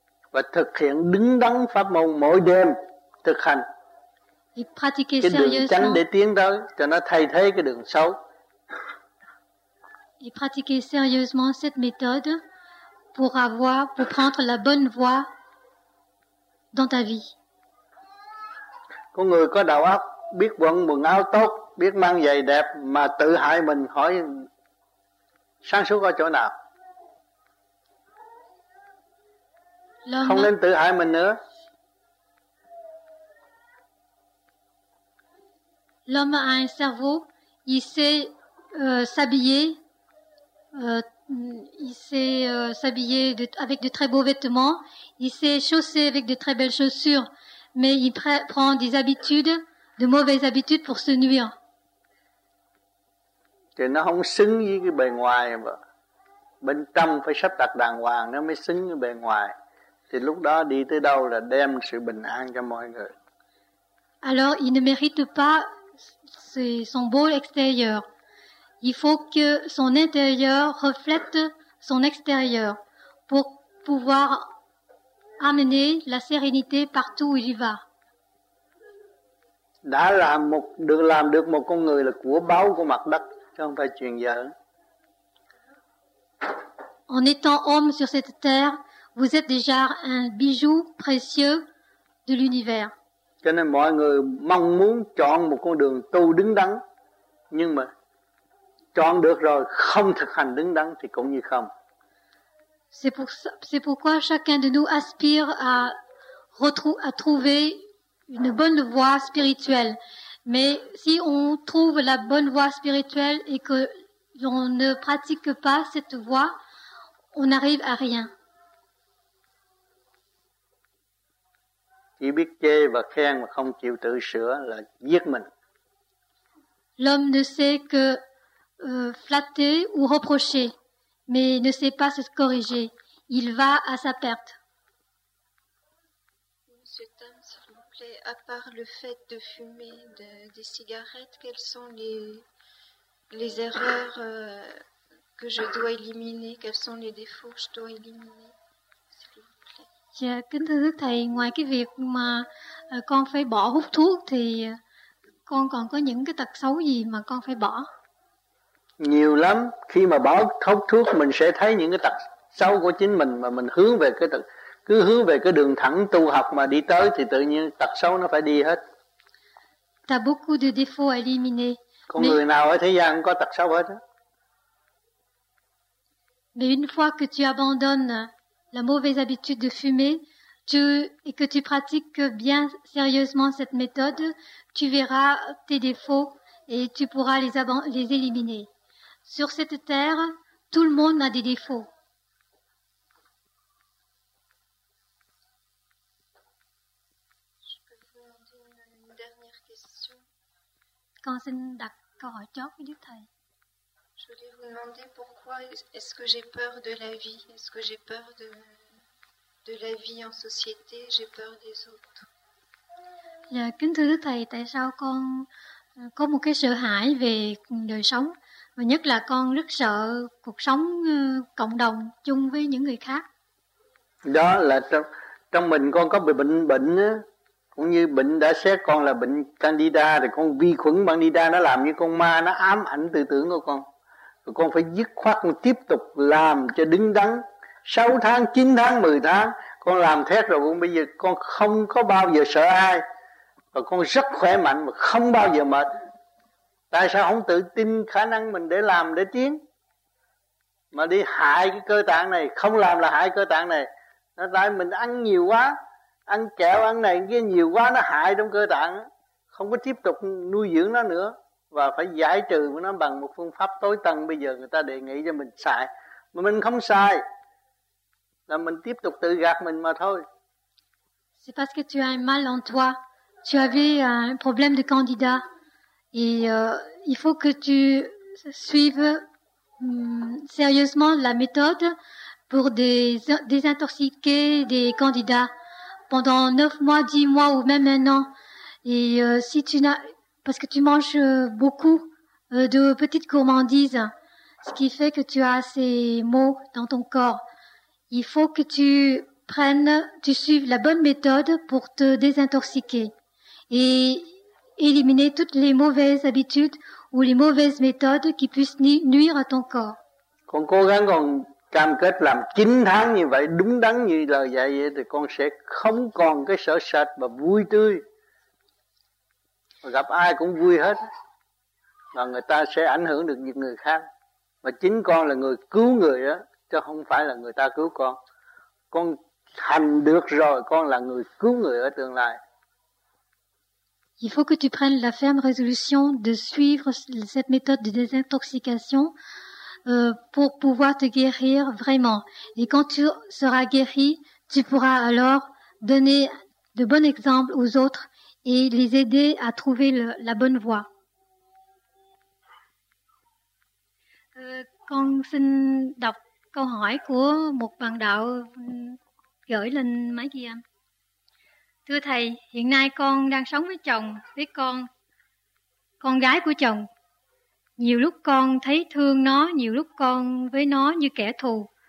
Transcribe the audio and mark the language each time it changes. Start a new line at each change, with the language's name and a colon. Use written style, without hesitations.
Vietnamese: Và thực hiện đứng đắn pháp môn mỗi đêm thực hành.
French: Et pratiquer sérieusement.
Vietnamese: Cái đường tránh để tiến tới cho nó thay thế cái đường xấu.
French: Et pratiquer sérieusement cette méthode pour avoir, pour prendre la bonne voie dans ta vie.
Vietnamese: Có người có đầu óc, biết quần quần áo tốt, biết mang giày đẹp mà tự hại mình, hỏi sáng suốt ở chỗ nào?
French: L'homme...
Vietnamese: Không nên tự hại mình nữa.
French: L'homme a un cerveau, il sait s'habiller. Il sait s'habiller avec de très beaux vêtements, il sait chausser avec de très belles chaussures, mais il prend des habitudes, de mauvaises habitudes pour se nuire.
Vietnamese: Thì nó không xứng với cái bề ngoài, bên trong phải sắp đặt đàng hoàng nó mới xứng với bề ngoài. Thì lúc đó đi tới đâu là đem sự bình an cho mọi người.
French: Alors il ne mérite pas son beau extérieur. Il faut que son intérieur reflète son extérieur pour pouvoir amener la sérénité partout où il y va.
Vietnamese: Đã làm được một con người là của báu của mặt đất, chứ không phải chuyện dở.
French: En étant homme sur cette terre, vous êtes déjà un bijou précieux de l'univers.
Vietnamese: Cho nên mọi người mong muốn chọn một con đường tu đứng đắn, nhưng mà chọn được rồi không thực hành đứng đắn thì cũng như không.
French: C'est pourquoi chacun de nous aspire à trouver une bonne voie spirituelle. Mais si on trouve la bonne voie spirituelle et que l'on ne pratique pas cette voie, on n'arrive à rien.
Vietnamese: Chỉ biết chê và khen mà không chịu tự sửa là giết mình.
French: L'homme ne sait que flatter ou reprocher, mais ne sait pas se corriger. Il va à sa perte. Monsieur Tom, s'il vous plaît, à part le fait de fumer des cigarettes, quelles sont les erreurs que je dois éliminer? Quels sont les défauts que je dois éliminer?
Vietnamese: Dạ, kính thưa thầy, ngoài cái việc mà con phải bỏ hút thuốc thì con còn có những cái tật xấu gì mà con phải bỏ? Nhiều lắm, khi mà bỏ hút thuốc mình sẽ thấy những cái tật xấu của chính mình mà mình hướng về cái tật, cứ hướng về cái đường thẳng tu học mà đi tới thì tự nhiên tật xấu nó phải đi hết.
French: T'as beaucoup de défauts à éliminer.
Vietnamese: Con người nào ở thế gian có tật xấu hết á.
French: Mais une fois que tu abandonnes la mauvaise habitude de fumer, et que tu pratiques bien sérieusement cette méthode, tu verras tes défauts. Et tu pourras les éliminer. Sur cette terre, tout le monde a des défauts. Je peux vous demander une dernière question. Quand c'est d'accord, tu as vu. Je voulais vous demander pourquoi est-ce que j'ai peur de la vie? Est-ce que j'ai peur de la vie en société? J'ai peur des autres.
Vietnamese: Kính thưa Đức Thầy, tại sao con có một cái sợ hãi về đời sống, và nhất là con rất sợ cuộc sống cộng đồng chung với những người khác. Đó là trong mình con có bệnh á, cũng như bệnh đã xét con là bệnh Candida, thì con vi khuẩn Candida nó làm như con ma, nó ám ảnh tư tưởng của con. Rồi con phải dứt khoát con tiếp tục làm cho đứng đắn. 6 tháng, 9 tháng, 10 tháng con làm thét rồi, bây giờ con không có bao giờ sợ ai. Và con rất khỏe mạnh mà không bao giờ mệt. Tại sao không tự tin khả năng mình để làm, để tiến? Mà đi hại cái cơ tạng này, không làm là hại cơ tạng này. Nó tại mình ăn nhiều quá, ăn kẹo, ăn này, cái nhiều quá nó hại trong cơ tạng. Không có tiếp tục nuôi dưỡng nó nữa. Và phải giải trừ nó bằng một phương pháp tối tân bây giờ người ta đề nghị cho mình xài. Mà mình không xài, là mình tiếp tục tự gạt mình mà thôi.
French: C'est parce que tu as un mal en toi. Tu avais un problème de candidat. Et il faut que tu suives sérieusement la méthode pour désintoxiquer des candidats pendant 9 mois, 10 mois ou même un an. Et si tu n'as, parce que tu manges beaucoup de petites gourmandises, ce qui fait que tu as ces maux dans ton corps. Il faut que tu prennes, tu suives la bonne méthode pour te désintoxiquer et éliminer toutes les mauvaises habitudes ou les mauvaises méthodes qui puissent nuire à ton corps.
Vietnamese: Con cố gắng con cam kết làm 9 tháng như vậy, đúng đắn như lời dạy vậy, thì con sẽ không còn cái sợ sệt và vui tươi. Gặp ai cũng vui hết. Và người ta sẽ ảnh hưởng được những người khác. Mà chính con là người cứu người đó, chứ không phải là người ta cứu con. Con hành được rồi, con là người cứu người ở tương lai.
French: Il faut que tu prennes la ferme résolution de suivre cette méthode de désintoxication pour pouvoir te guérir vraiment. Et quand tu seras guéri, tu pourras alors donner de bons exemples aux autres et les aider à trouver la bonne voie.
Vietnamese: Con xin đọc câu hỏi của một bạn đạo gửi lên máy ghi âm. Thưa Thầy, hiện nay con đang sống với chồng, với con gái của chồng. Nhiều lúc con thấy thương nó, nhiều lúc con với nó như kẻ thù.